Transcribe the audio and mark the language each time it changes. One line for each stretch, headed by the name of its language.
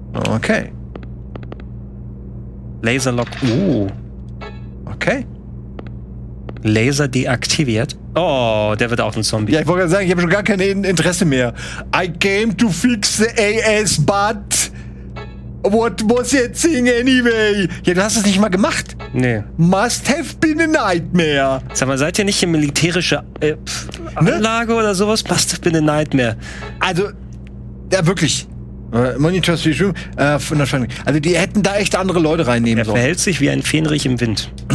German: Okay. Laserlock. Okay. Laser deaktiviert. Oh, der wird auch ein Zombie. Ja, ich wollte gerade sagen, ich habe schon gar kein Interesse mehr.
English: I came to fix the AS, but what was it thing anyway?
German: Ja, du hast es nicht mal gemacht. Nee.
English: Must have been a nightmare.
German: Sag mal, seid ihr nicht in militärische Anlage, ne, oder sowas?
English: Must have been a nightmare.
German: Also, ja, wirklich. Monitors wie schon. Also, die hätten da echt andere Leute reinnehmen sollen. Er verhält sich wie ein Fähnrich im Wind.